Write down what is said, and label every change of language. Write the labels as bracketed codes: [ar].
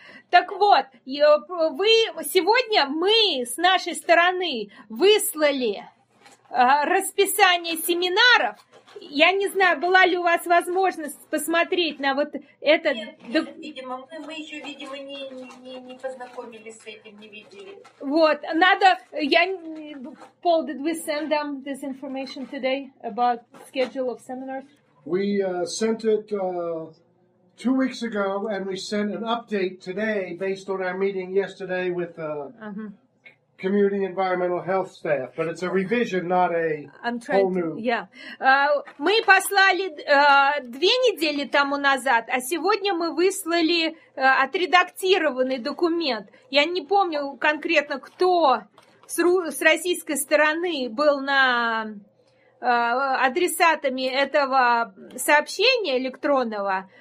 [ru] Так вот, вы сегодня мы с нашей стороны выслали расписание семинаров. Я не знаю, была ли у вас возможность посмотреть на вот этот... Нет, видимо, мы еще, видимо, не познакомились с этим, не видели. Вот, надо... Я... [en] Paul, did we send them this information today about schedule of seminars? We sent it 2 weeks ago, and we sent an update today based on our meeting yesterday with... Community environmental health staff, but it's a revision, not a whole new. [ru] Мы послали две недели тому назад, а сегодня мы выслали отредактированный документ. Я не помню конкретно, кто с российской стороны был на адресатами этого сообщения электронного.